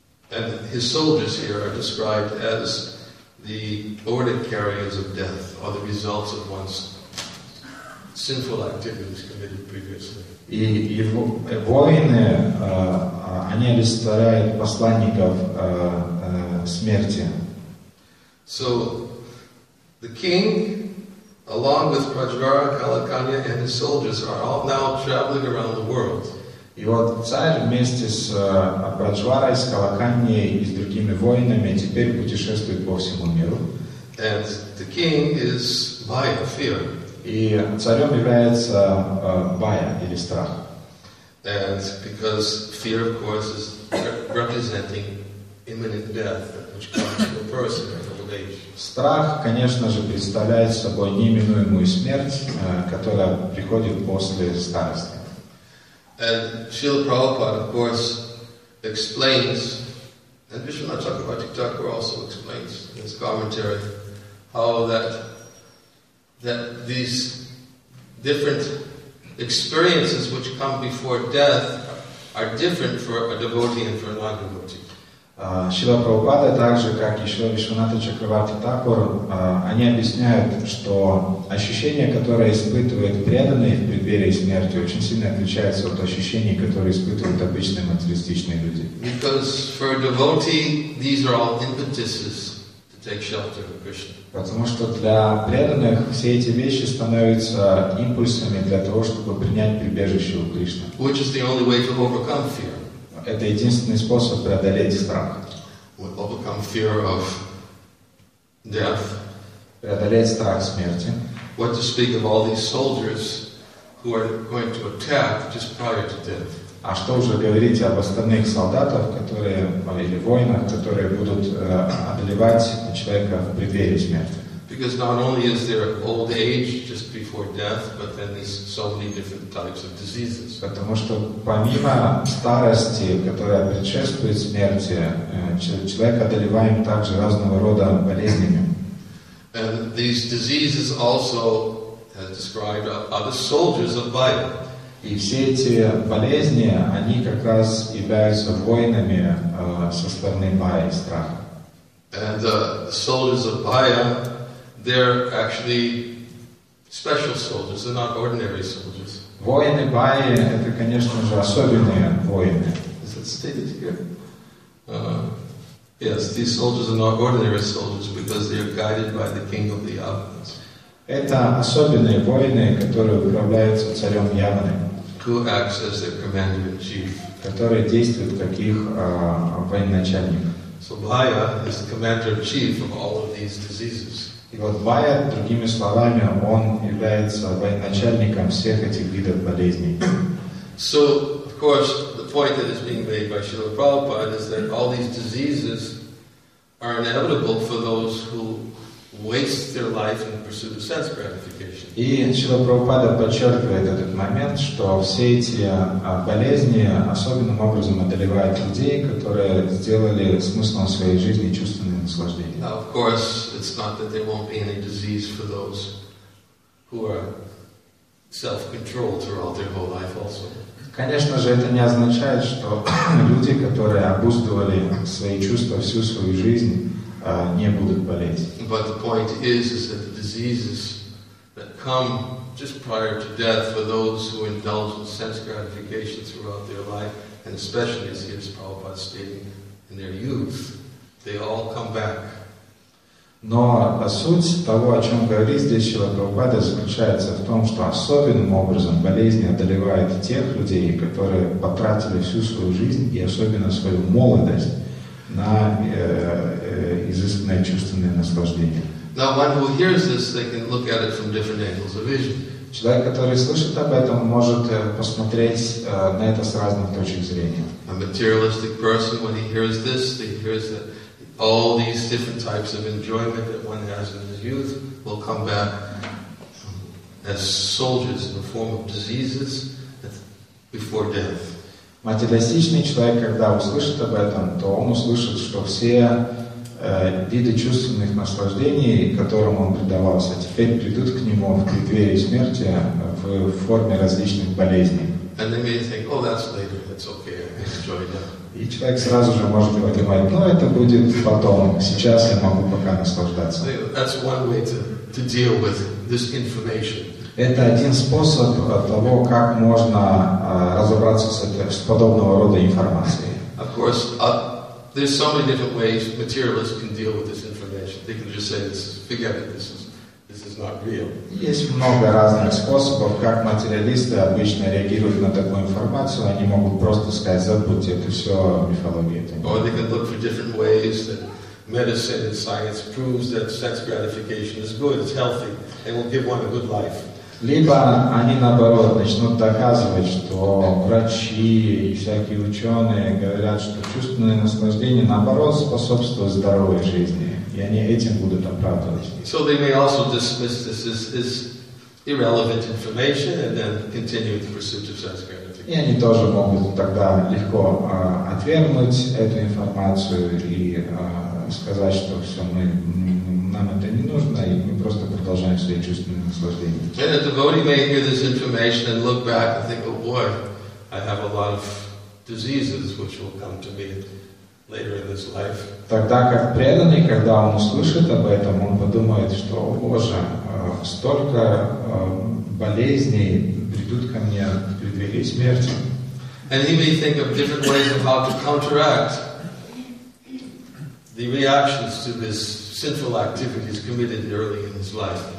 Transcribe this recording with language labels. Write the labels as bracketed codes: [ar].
[en] And his soldiers here are described as the ordered carriers of death, or the results of one's sinful activities committed previously. [ru] И его воины, они олицетворяют посланников смерти. [en] So the king, along with Prajvara, Kalakanya, and his soldiers, are all now traveling around the world. [ru] И вот царь вместе с Праджварой, с Калаканьей и с другими воинами теперь путешествует по всему миру. [en] And the king is Bhaya, fear. [ru] И царем является Bhaya, или страх. [en] And because fear, of course, is representing imminent death, which comes to a person at old age. [ru] Страх, конечно же, представляет собой неминуемую смерть, которая приходит после старости. [en] And Srila Prabhupada, of course, explains, and Vishwanatha Chakravarti Thakur also explains in his commentary, how that these different experiences which come before death are different for a devotee and for a non-devotee. [ru] Srila Prabhupada, также как и Srila Vishwanatha Chakravarti Thakur, они объясняют, что ощущения, которые испытывает преданный в преддверии смерти, очень сильно отличаются от ощущений, которые испытывают обычные материалистичные люди. [en] Because for a devotee, these are all impetuses to take shelter of Krishna. [ru] Потому что для преданных все эти вещи становятся импульсами для того, чтобы принять прибежище у Кришны. [en] Which is the only way to overcome fear. [ru] Это единственный способ преодолеть страх. [en] We'll overcome fear of death. [ru] Преодолеть страх смерти. [en] What to speak of all these soldiers who are going to attack just prior to death? [ru] А что уже говорить об остальных солдатах, которые или воинах, которые будут одолевать человека в преддверии смерти? [en] Because not only is there old age just before death, but then there's so many different types of diseases. [ru] Потому что помимо старости, которая предшествует смерти, человек одолеваем также разного рода болезнями. [en] And these diseases also, as described, are the soldiers of Bhaya. [ru] И все эти болезни, они как раз являются воинами со стороны Бхая и страха. [en] And the soldiers of Bhaya, they're actually special soldiers, they're not ordinary soldiers. [ru] Воины Бхаи, это, конечно же, особенные воины. [en] Is that stated here? Yes, these soldiers are not ordinary soldiers because they are guided by the king of the Yavanas. [ru] Это особенные воины, которые управляются царем Яваны. [en] Who acts as their commander in chief? [ru] Которые действуют как их военачальник. [en] So Bhaya is the commander in chief of all of these diseases. [ru] И вот Бхая, другими словами, он является военачальником всех этих видов болезней. [en] So, of course, the point that is being made by Srila Prabhupada is that all these diseases are inevitable for those who waste their life in pursuit of sense gratification. [ru] И Шрила Прабхупада подчеркивает этот момент, что все эти болезни особенным образом одолевают людей, которые сделали смыслом своей жизни чувственное наслаждение. [en] Now, of course, it's not that there won't be any disease for those who are self-controlled throughout their whole life also. [ru] Конечно же, это не означает, что люди, которые обуздывали свои чувства всю свою жизнь, не будут болеть. [en] But the point is that the diseases that come just prior to death, for those who indulge in sense gratification throughout their life, and especially, as here's Prabhupada stating, in their youth, they all come back. [ru] Но суть того, о чем говорит здесь человек Прабхупада, заключается в том, что особенным образом болезнь одолевает тех людей, которые потратили всю свою жизнь и особенно свою молодость на изысканное чувственное наслаждение. [en] Now, one who hears this, they can look at it from different angles of vision. [ru] Человек, который слышит об этом, может посмотреть на это с разных точек зрения. [en] A materialistic person, when he hears this, he hears that all these different types of enjoyment that one has in his youth will come back as soldiers in the form of diseases before death. [ru] Материалистичный человек, когда услышит об этом, то он услышит, что все виды чувственных наслаждений, которым он предавался, теперь придут к нему в преддверии смерти в форме различных болезней. [en] And they may think, oh, that's later, that's okay, I enjoy that. [ru] И человек сразу же может понимать, ну это будет потом, сейчас я могу пока наслаждаться. [en] That's one way to deal with this information. [ru] Это один способ того, как можно разобраться с подобного рода информацией. [en] Of course, there's so many different ways materialists can deal with this information. They can just say, forget it, this is not real. [ru] Есть много разных способов, как материалисты обычно реагируют на такую информацию. Они могут просто сказать, забудьте, это все мифология. [en] Or they can look for different ways that medicine and science proves that sex gratification is good, it's healthy, and will give one a good life. [ru] Либо они, наоборот, начнут доказывать, что врачи и всякие ученые говорят, что чувственное наслаждение, наоборот, способствует здоровой жизни. И они этим будут оправдывать. [en] So they may also dismiss this as irrelevant information and then continue the pursuit of sense gratification. [ru] И они тоже могут тогда легко отвергнуть эту информацию и сказать, что все, нам это не нужно, и мы просто продолжаем свои чувственные наслаждения. [en] And a devotee may hear this information and look back and think, oh boy, I have a lot of diseases which will come to me later in this life. [ru] Тогда как преданный, когда он услышит об этом, он подумает, что, о боже, столько болезней придут ко мне в преддверии смерти. [en] And he may think of different ways of how to counteract the reactions to this sinful activities committed early in his life.